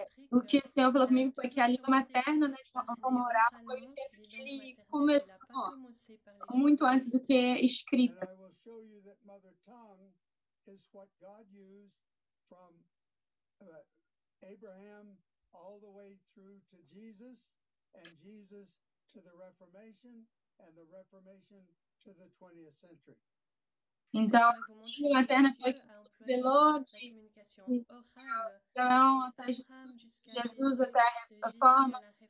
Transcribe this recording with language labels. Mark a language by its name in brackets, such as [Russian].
[Portuguese] O que o Senhor falou comigo foi que a língua materna, né, de forma oral, foi sempre que ele começou, muito antes do que escrita. [English] Show you that mother tongue is what God used from Abraham all the way through to Jesus, and Jesus to the Reformation, and the Reformation to the 20th century. [Portuguese] Então, a língua materna foi pelo de Jesus até a reforma.